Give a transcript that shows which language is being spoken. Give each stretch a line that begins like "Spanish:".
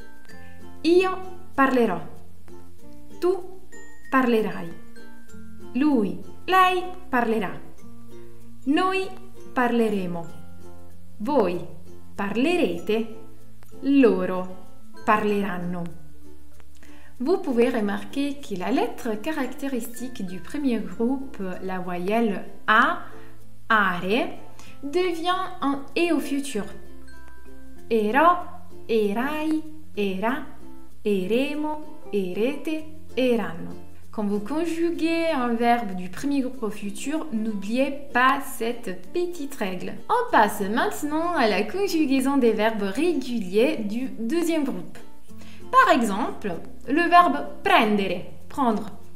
Italian: « Io parlerò »« Tu parlerai »« Lui, lei parlerà »« Noi parleremo »« Voi parlerete »« Loro parleranno »
French: Vous pouvez remarquer que la lettre caractéristique du premier groupe, la voyelle « a », Are devient un e au futur.
Italian: Ero, erai, era, eremo, erete, eranno.
French: Quand vous conjuguez un verbe du premier groupe au futur, n'oubliez pas cette petite règle. On passe maintenant à la conjugaison des verbes réguliers du deuxième groupe. Par exemple, le verbe prendere, prendre.